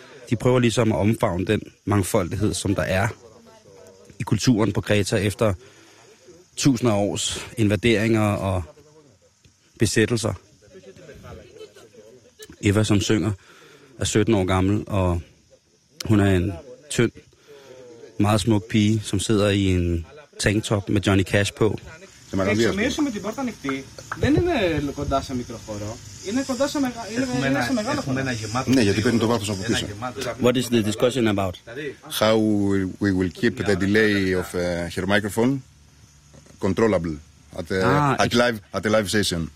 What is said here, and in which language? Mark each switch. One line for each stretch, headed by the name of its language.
Danish: De prøver ligesom at omfavne den mangfoldighed, som der er i kulturen på Kreta efter tusinder af års invaderinger og besættelser. Eva, som synger, er 17 år gammel, og hun er en tynd, meget smuk pige, som sidder i en tanktop med Johnny Cash på.
Greek: Εξομοιώσουμε την πόρτα ανοιχτή. Δεν είναι κοντά σε μικρό χώρο. Είναι κοντά σε μεγάλο χώρο. Ένα γεμάτο. Ναι, γιατί παίρνει το βάθος από πίσω.
English: What is the discussion about? How we will keep the delay of her microphone controllable at a live session.